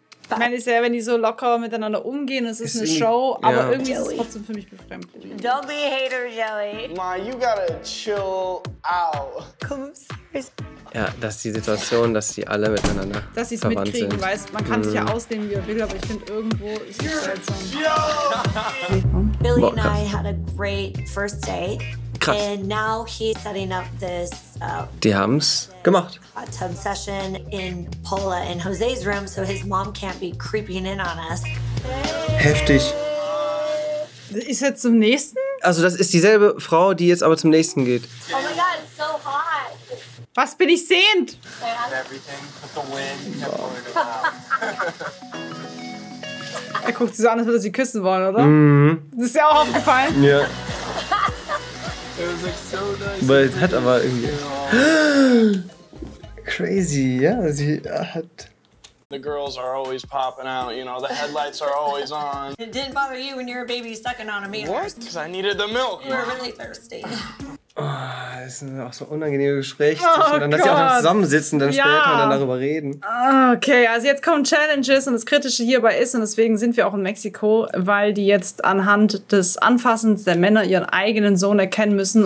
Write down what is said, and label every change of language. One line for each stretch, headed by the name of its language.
German: Ich meine, ist ja, wenn die so locker miteinander umgehen, es ist eine Show, aber irgendwie ist es trotzdem für mich befremdlich.
English: Don't be a hater, Joey. Ma, you gotta chill out.
German: Komm, serious. Ja, das ist die Situation, dass sie alle miteinander dass sie es mitkriegen, sind. Weißt man kann sich ja ausnehmen, wie er will, aber ich finde irgendwo, ist es seltsam.
English: Billy and I had a great first date.
German: Krass.
English: And now he's setting up this.
German: Die haben's gemacht.
English: Hot tub session in Paula in Jose's room, so his mom can't be creeping in on us.
German: Heftig. Ist jetzt zum nächsten? Also das ist dieselbe Frau, die jetzt aber zum nächsten geht.
English: Oh my God, it's so hot.
German: Was bin ich sehend? Wow. Er guckt sie so an, als würde sie küssen wollen, oder? Mm-hmm. Das ist ja auch aufgefallen. Ja. Yeah.
English: It was like so nice. But it had
German: aber irgendwie.
English: Yeah. Crazy, yeah,
German: sie hat.
English: The girls are always popping out, you know, the headlights are always on. It didn't bother you when you were a baby sucking on a meter. What? Because I needed the milk. You were really thirsty.
German: Oh, das ist auch so ein unangenehmes Gespräch. Oh, und dann, dass sie auch noch zusammensitzen, dann später und dann darüber reden. Okay, also jetzt kommen Challenges und das Kritische hierbei ist, und deswegen sind wir auch in Mexiko, weil die jetzt anhand des Anfassens der Männer ihren eigenen Sohn erkennen müssen.